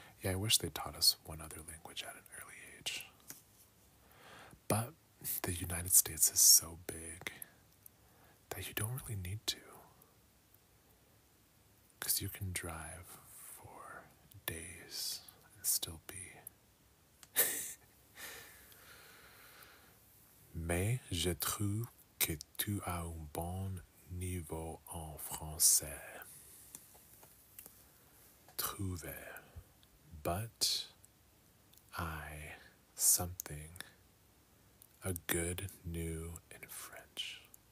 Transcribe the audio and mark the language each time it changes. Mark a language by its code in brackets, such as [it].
[en] Yeah, I wish they taught us one other language at an early age. But the United States is so big that you don't really need to. Because you can drive for days and still be. [fr] Mais je trouve que tu as un bon niveau en français. Trouve. [en] But I something a good new in French.